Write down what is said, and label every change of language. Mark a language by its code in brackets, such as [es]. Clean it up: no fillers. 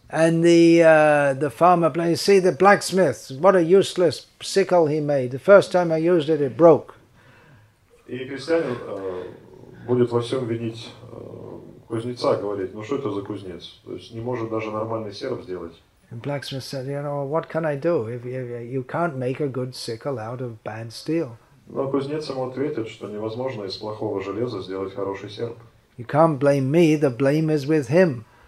[en] And the farmer blames, see the blacksmith, what a useless sickle he made. The first time I used it, it broke. [ru] И крестьянин будет во всем винить кузнеца, говорить, ну что это за кузнец? То есть не может даже нормальный серп сделать. [en] And blacksmith said, you know, what can I do? If you can't make a good sickle out of bad steel. [ru] Но кузнец ему ответит, что невозможно из плохого железа сделать хороший серп. [en] You can't blame me, the blame is with him.